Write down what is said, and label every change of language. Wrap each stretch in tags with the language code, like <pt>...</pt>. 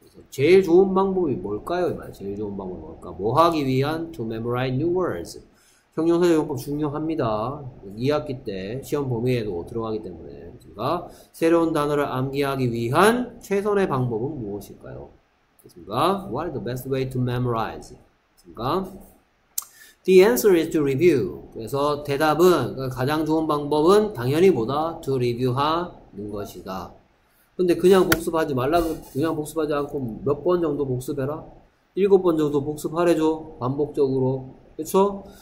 <ko>제일 좋은 방법이 뭘까요? 제일 좋은 방법이 뭘까? 뭐 하기 위한</ko> <en>to memorize new words.</en> <ko>형용사 용법 중요합니다. 2학기 때 시험 범위에도 들어가기 때문에 제가 새로운 단어를 암기하기 위한 최선의 방법은 무엇일까요? 그니까</ko> <en>what is the best way to memorize?</en> <ko>그니까</ko> <en>the answer is to review.</en> <ko>그래서 대답은 가장 좋은 방법은 당연히 뭐다?</ko> <en>to review</en> <ko>하는 것이다. 근데 그냥 복습하지 말라고 그냥 복습하지 않고 몇번 정도 복습해라. 7번 정도 복습하래죠. 반복적으로. 그쵸?</ko>